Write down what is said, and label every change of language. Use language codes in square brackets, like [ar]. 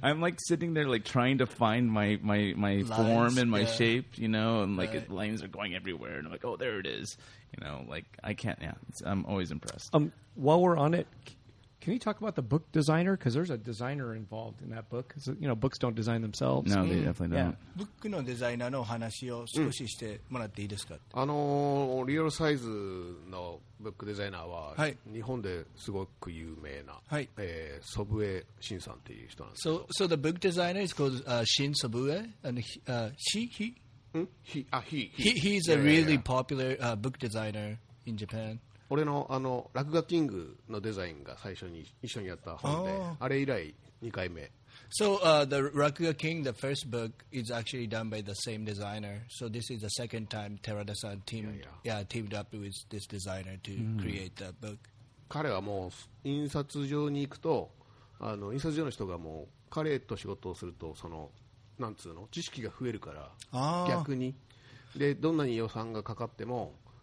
[en] I'm like sitting there, like trying to find my lines, form and my shape, you know, and like lines are going everywhere, and I'm like, oh, there it is, you know. Like, I can't. Yeah, I'm always impressed. While we're on it, can you talk about the book designer? Because there's a designer involved in that book. So, you know, books don't design themselves. No, they definitely don't. [ja] Book のデザイナーの話を少ししてもらっていいですか？リアルサイズのブックデザイナーは日本ですごく有名な、ソブエ・シンさんっていう人なんですけど。 [en] So the book designer is called Shin Sobue, and he's a really popular book designer in Japan. [ja] 俺のあの落書キングのデザインが最初に一緒にやった本で、あれ以来2回目。 [en] So the Rakuga King, the first book, is actually done by the same designer. So this is the second time Terada-san teamed up with this designer to create that book. [ja] 彼はもう印刷所に行くと、あの印刷所の人がもう彼と仕事をするとそのなんつうの知識が増えるから、逆にでどんなに予算がかかっても。